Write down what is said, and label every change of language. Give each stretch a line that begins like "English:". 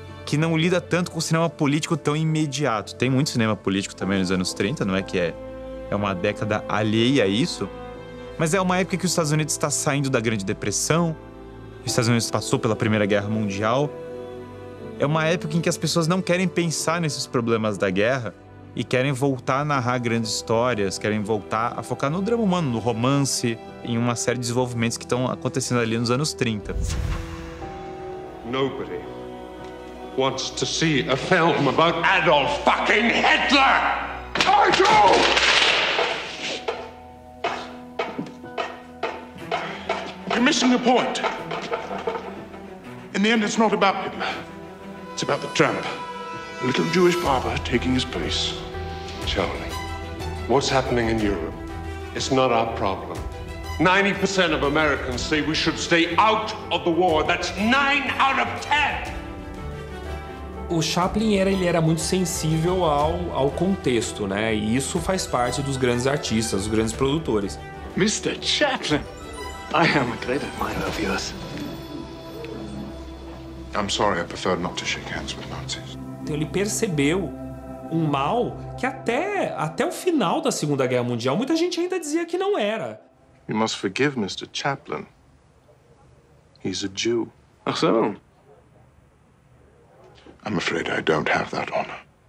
Portuguese: que não lida tanto com o cinema político tão imediato. Tem muito cinema político também nos anos 30, não é que é uma década alheia a isso, mas é uma época que os Estados Unidos está saindo da Grande Depressão, os Estados Unidos passou pela Primeira Guerra Mundial. É uma época em que as pessoas não querem pensar nesses problemas da guerra e querem voltar a narrar grandes histórias, querem voltar a focar no drama humano, no romance, em uma série de desenvolvimentos que estão acontecendo ali nos anos 30.
English: Nobody wants to see a film about Adolf fucking Hitler! Michael! You're missing the point. In the end, it's not about him. It's about the tramp. A little Jewish barber taking his place. Charlie, what's happening in Europe? It's not our problem. 90% of Americans say we should stay out of the war. That's 9 out of 10!
Portuguese: O Chaplin ele era muito sensível ao contexto, né? E isso faz parte dos grandes artistas, dos grandes produtores.
English: Mr. Chaplin, I am a great admirer of yours. I'm sorry, I prefer not to shake hands with Nazis.
Portuguese: Então ele percebeu um mal que até o final da Segunda Guerra Mundial muita gente ainda dizia que não era.
English: You must forgive Mr. Chaplin. He's a Jew.
German: Ach so.
English: I'm afraid I don't have that honor.